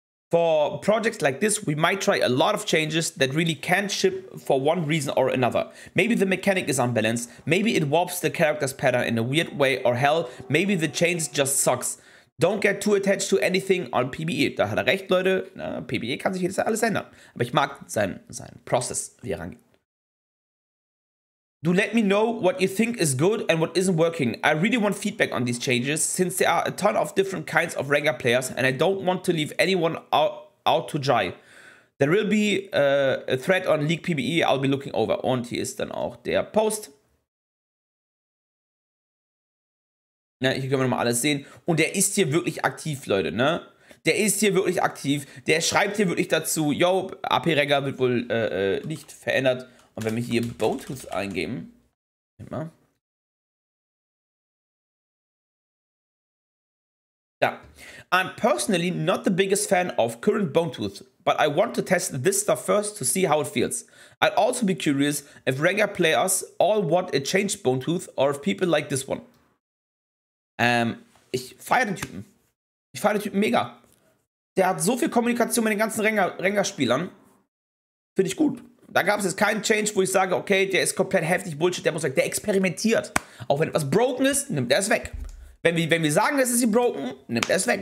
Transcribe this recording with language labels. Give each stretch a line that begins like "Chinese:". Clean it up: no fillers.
English: For projects like this, we might try a lot of changes that really can't ship for one reason or another. Maybe the mechanic is unbalanced, maybe it warps the character's pattern in a weird way, or hell, maybe the change just sucks. Don't get too attached to anything on PBE.
German: Da hat er recht, Leute. Na, PBE kann sich jedes Jahr alles ändern. Aber ich mag seinen Prozess, wie er rangeht.
English: Do let me know what you think is good and what isn't working. I really want feedback on these changes, since there are a ton of different kinds of Rengar players and I don't want to leave anyone out to dry. There will be a thread on League PBE I'll be looking over.
German: Und hier ist dann auch der Post. Ja, hier können wir nochmal alles sehen. Und der ist hier wirklich aktiv, Leute, ne? Der ist hier wirklich aktiv. Der schreibt hier wirklich dazu, yo, AP-Rengar wird wohl nicht verändert. Und wenn wir hier Bonus eingeben, mal. Ja.
English: I'm personally not the biggest fan of current Bonetooth, but I want to test this stuff first to see how it feels. I'd also be curious if Rengar players all want a changed Bonetooth or if people like this one.
German: Ich feiere den Typen. Ich feiere den Typen mega. Der hat so viel Kommunikation mit den ganzen Rengar-Spielern. Finde ich gut. Da gab es jetzt keinen Change, wo ich sage, okay, der ist komplett heftig Bullshit, der muss weg. Der experimentiert. Auch wenn etwas broken ist, nimmt er es weg. Wenn wir sagen, es ist sie broken, nimmt er es weg.